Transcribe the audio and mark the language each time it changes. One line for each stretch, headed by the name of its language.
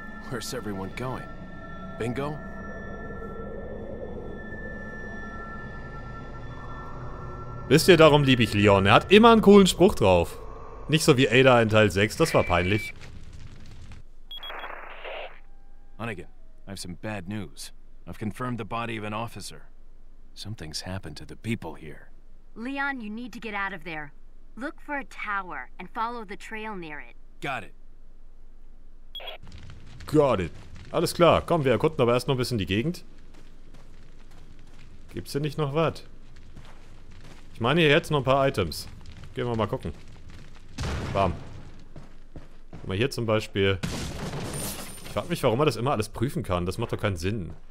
English: Where's everyone going? Bingo?
German: Wisst ihr, darum liebe ich Leon. Er hat immer einen coolen Spruch drauf. Nicht so wie Ada in Teil 6, das war peinlich.
English: Hunnigan, I have some bad news. I've confirmed the body of an officer. Something's happened to the people here. Leon, you need to get out of there. Look for a tower and follow the trail near it. Got it. Got it.
German: Alles klar, komm, wir erkunden aber erst noch ein bisschen die Gegend. Gibt's hier nicht noch was? Ich meine, hier jetzt noch ein paar Items. Gehen wir mal gucken. Bam. Guck mal hier zum Beispiel. Ich frag mich, warum er das immer alles prüfen kann. Das macht doch keinen Sinn.